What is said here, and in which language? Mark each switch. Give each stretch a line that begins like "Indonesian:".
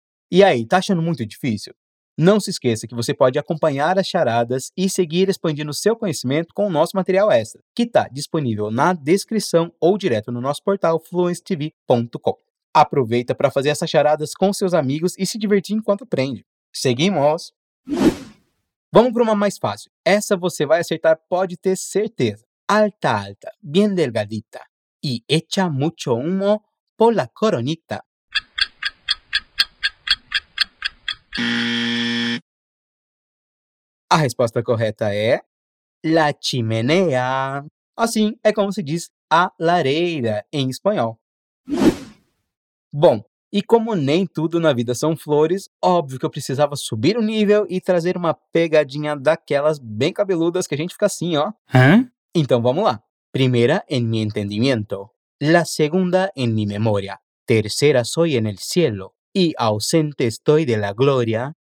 Portuguese: E aí, tá achando muito difícil? Não se esqueça que você pode acompanhar as charadas e seguir expandindo seu conhecimento com o nosso material extra, que está disponível na descrição ou direto no nosso portal fluencetv.com. Aproveita para fazer essas charadas com seus amigos e se divertir enquanto aprende. Seguimos! Vamos para uma mais fácil. Essa você vai acertar, pode ter certeza.
Spanish: Alta, alta, bien delgadita. Y echa mucho humo por la coronita.
Portuguese: A resposta correta é...
Spanish: La chimenea.
Portuguese: Assim é como se diz a lareira em espanhol. Bom, e como nem tudo na vida são flores, óbvio que eu precisava subir o nível e trazer uma pegadinha daquelas bem cabeludas que a gente fica assim, ó. Hã? Então vamos lá.
Spanish: Primeira en mi entendimiento. La segunda en mi memoria. Tercera soy en el cielo. Y ausente estoy de la gloria.